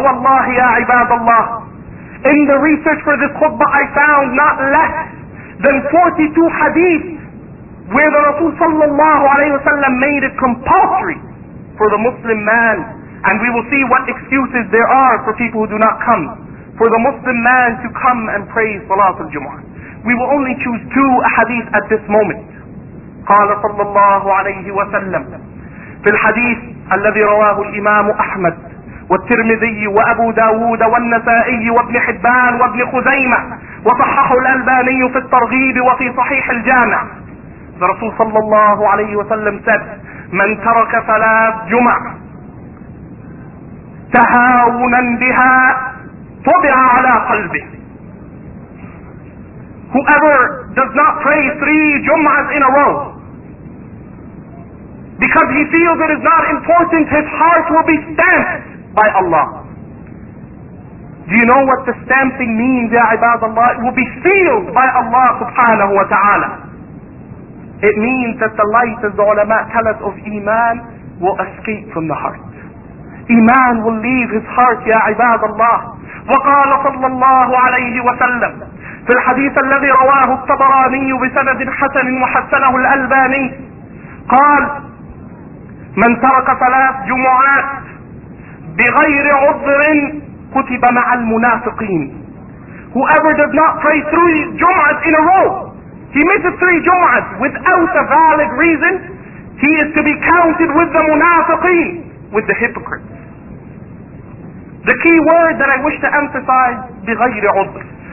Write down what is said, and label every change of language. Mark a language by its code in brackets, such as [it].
[en] Wallahi ya ibadallah, in the research for this khutbah I found not less than 42 hadith where the Rasul sallallahu alayhi wa sallam made it compulsory for the Muslim man And we will see what excuses there are for people who do not come, for the Muslim man to come and pray Salatul Jumu'ah. We will only choose two hadith at this moment. [ar] قال صلى الله عليه وسلم في الحديث الذي رواه الإمام أحمد والترمذي وأبو داود والنسائي وابن حبان وابن خزيمة وصححه الألباني في الترغيب وفي صحيح الجامع. [en] The Rasul [ar] صلى الله عليه وسلم [en] said, [ar] من ترك ثلاث جمع تهاونا بها طبع على قلبه. [en] Whoever does not pray three jum'ahs in a row because he feels it is not important, his heart will be stamped by Allah. Do you know what the stamping means, ya ibadallah? It will be sealed by Allah subhanahu wa ta'ala. It means that the light, as the ulama tell us, of iman will escape from the heart. Iman will leave his heart, ya ibadallah. [ar] وقال صلى الله عليه وسلم في الحديث الذي رواه الطبراني بسند حسن وحسنه الألباني قال من ترك ثلاث جمعات بغير عذر كتب مع المنافقين. [en] Whoever does not pray three jum'ahs in a row, he misses three jum'ahs without a valid reason, he is to be counted with the munafiqeen, with the hypocrites. The key word that I wish to emphasize, [ar] بغير عذر.